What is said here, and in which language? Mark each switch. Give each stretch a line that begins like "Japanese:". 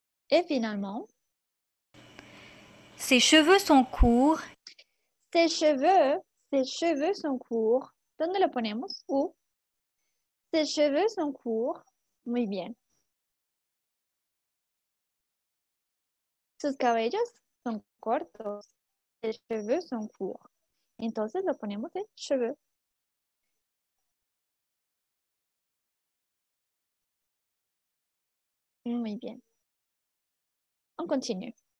French: Et finalement. Ses cheveux sont courts. Ses cheveux sont courts.
Spanish: ¿Dónde lo ponemos?
French: Où? Ses cheveux sont courts.
Spanish: Muy bien. Sus cabellos son cortos.
French: Ses cheveux sont courts.
Spanish: Entonces lo ponemos en cheveux. Muy bien.
French: On continue.